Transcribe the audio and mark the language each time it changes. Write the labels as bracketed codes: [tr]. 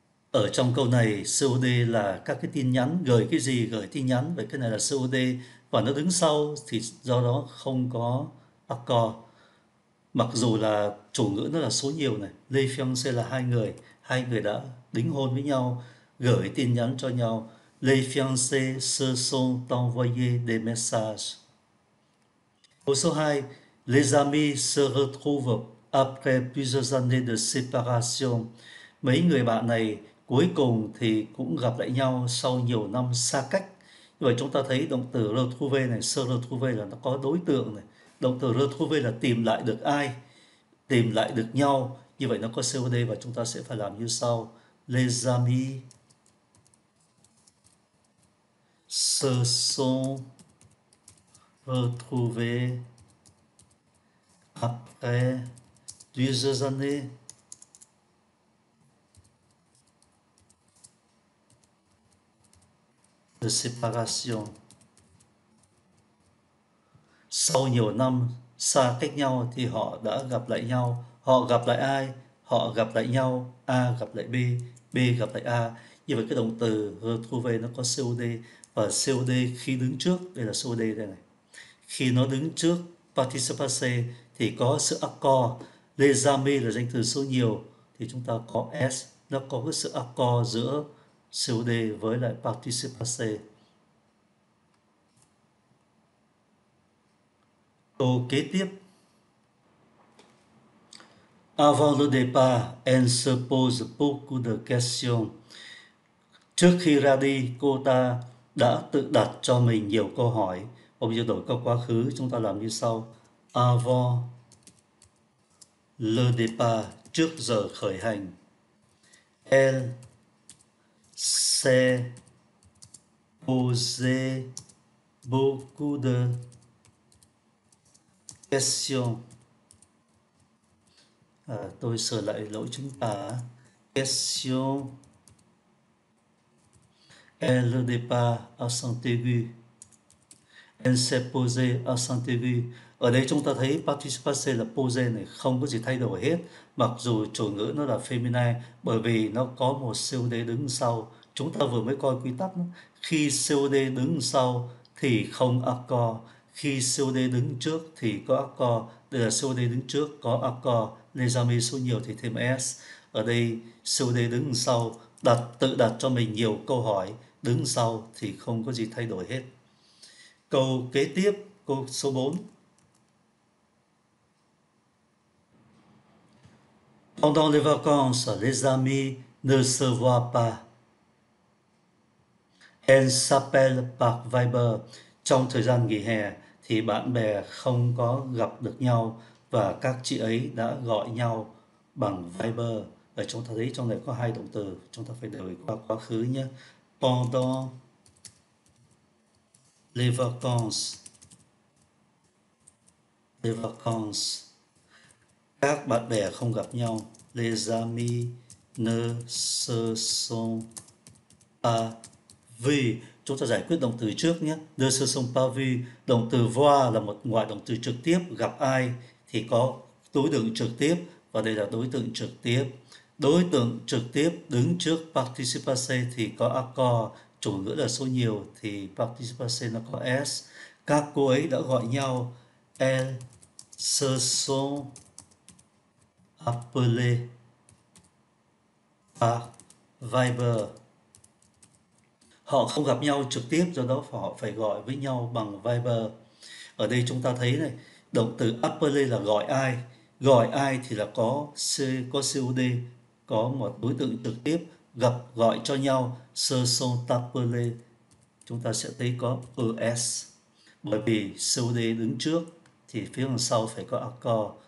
[vi] Ở trong câu này, COD là các cái tin nhắn, gửi cái gì, gửi tin nhắn, vậy cái này là COD, và nó đứng sau thì do đó không có accord. Mặc dù là chủ ngữ nó là số nhiều này, les fiancés là hai người đã đính hôn với nhau, gửi tin nhắn cho nhau. [fr] Les fiancés se sont envoyés des messages. [vi] Câu số 2, [fr] les amis se retrouvent après plusieurs années de séparation. [vi] Mấy người bạn này cuối cùng thì cũng gặp lại nhau sau nhiều năm xa cách. Như vậy chúng ta thấy động từ retrouver này, se retrouver là nó có đối tượng này. Động từ retrouver là tìm lại được ai, tìm lại được nhau. Như vậy nó có COD và chúng ta sẽ phải làm như sau. [fr] Les amis se sont retrouvés après plusieurs années de séparation. [vi] Sau nhiều năm xa cách nhau thì họ đã gặp lại nhau. Họ gặp lại ai? Họ gặp lại nhau. A gặp lại B, B gặp lại A. Như vậy cái động từ retrouver nó có COD, và COD khi đứng trước, đây là COD đây này, khi nó đứng trước participe passé thì có sự accord. Les amis là danh từ số nhiều thì chúng ta có S, nó có cái sự accord giữa COD với lại participe passé. Câu kế tiếp. [fr] Avant le départ, elle se pose beaucoup de questions. [vi] Trước khi ra đi, cô ta đã tự đặt cho mình nhiều câu hỏi. Và bây giờ đổi câu quá khứ, chúng ta làm như sau. [fr] Avant le départ, [vi] trước giờ khởi hành, [fr] elle s'est posé beaucoup de questions. [vi] À, tôi sửa lại lỗi chính tả. [fr] Question. Elle le départ à Saint-Égu. Elle s'est posée à Saint-Égu. [vi] Ở đây chúng ta thấy participe passé là posé này, không có gì thay đổi hết. Mặc dù chủ ngữ nó là feminine, bởi vì nó có một COD đứng sau. Chúng ta vừa mới coi quy tắc. Khi COD đứng sau thì không accord. Khi COD đứng trước thì có accord. Đây là COD đứng trước có accord. Les amis số nhiều thì thêm S. Ở đây COD đứng sau tự đặt cho mình nhiều câu hỏi, đứng sau thì không có gì thay đổi hết. Câu kế tiếp, câu số 4. [fr] Pendant les vacances, les amis ne se voient pas. Elles s'appellent par Viber. [vi] Trong thời gian nghỉ hè thì bạn bè không có gặp được nhau và các chị ấy đã gọi nhau bằng Viber. Ở chúng ta thấy trong này có hai động từ, chúng ta phải đổi qua quá khứ nhé. [fr] Pendant les vacances, [vi] các bạn bè không gặp nhau. [fr] Les amis ne se sont pas vus. [vi] Chúng ta giải quyết động từ trước nhé. [fr] Ne se sont pas vus. [vi] Động từ voir là một ngoại động từ trực tiếp. Gặp ai thì có đối tượng trực tiếp, và đây là đối tượng trực tiếp. Đối tượng trực tiếp đứng trước participe passé thì có accord, chủ ngữ là số nhiều thì participe passé nó có S. Các cô ấy đã gọi nhau. [fr] Elles se sont appelées par Viber. [vi] Họ không gặp nhau trực tiếp, do đó họ phải gọi với nhau bằng Viber. Ở đây chúng ta thấy này, động từ appeler là gọi ai. Gọi ai thì là có COD, có một đối tượng trực tiếp gặp gọi cho nhau. [fr] Se sont appelés, [vi] chúng ta sẽ thấy có ES, bởi vì COD đứng trước thì phía đằng sau phải có accord.